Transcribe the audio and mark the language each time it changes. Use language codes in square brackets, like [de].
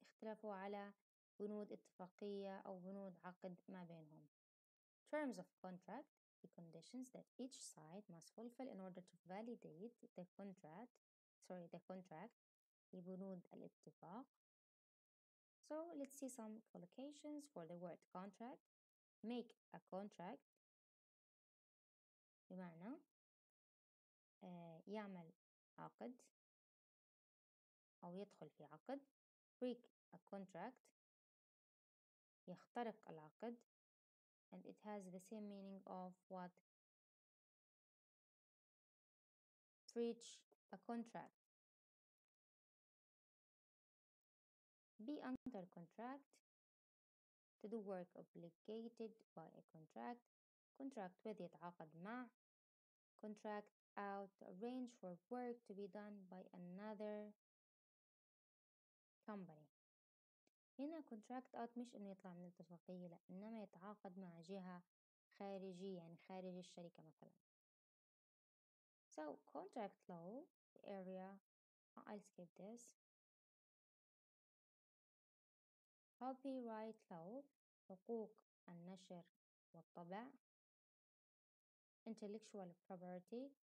[ar] اختلافوا على بنود اتفاقية أو بنود عقد ما بينهم. [en] Terms of contract. The conditions that each side must fulfill in order to validate the contract. Sorry, the contract, [ar] بنود الاتفاق. [en] So, let's see some collocations for the word contract. Make a contract. [ar] بمعنى يعمل عقد أو يدخل في عقد. [en] Break a contract. [ar] يخترق العقد. [en] And it has the same meaning of what breach a contract. Be under contract, to do work obligated by a contract, contract with [ar] يتعاقد مع, [en] contract out, arrange for work to be done by another company. [ar] هنا contract out مش إنه يطلع من الاتفاقية, لا, إنما يتعاقد مع جهة خارجية, يعني خارج الشركة مثلا. [en] So, contract law, the area, I'll skip this. Copyright law, [ar] حقوق النشر والطبع. [en] Intellectual property.